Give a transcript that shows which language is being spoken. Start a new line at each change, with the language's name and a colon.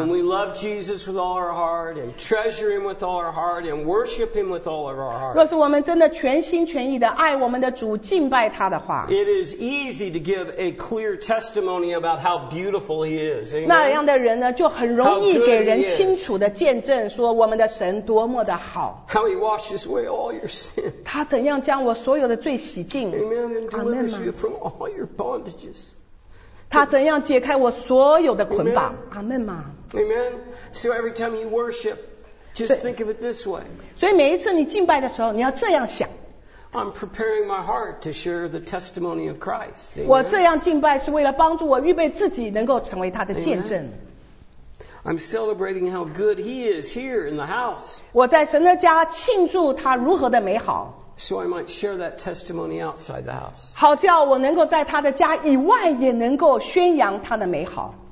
English: When we love Jesus with all our heart and treasure him with all our heart and worship him with all of our heart.
Chinese: 若是我们真的全心全意的爱我们的主，敬拜他的话，
English: It is easy to give a clear testimony about how beautiful he is.
Chinese: 那样的人呢，就很容易给人清楚的见证说我们的神多么的好。
English: How he washes away all your sin.
Chinese: 他怎样将我所有的罪洗净。
English: Amen. And delivers you from all your bondages.
Chinese: 他怎样解开我所有的捆绑？阿门吗
English: ？Amen. So every time you worship, just think of it this way.
Chinese: 所以每一次你敬拜的时候，你要这样想。
English: I'm preparing my heart to share the testimony of Christ.、Amen?
Chinese: 我这样敬拜是为了帮助我预备自己，能够成为他的见证。
English: Amen. I'm celebrating how good He is here in the house.
Chinese: 我在神的家庆祝他如何的美好。
English: So I might share that testimony outside the house.
Chinese: 好叫我能够在他的家以外也能够宣扬他的美好。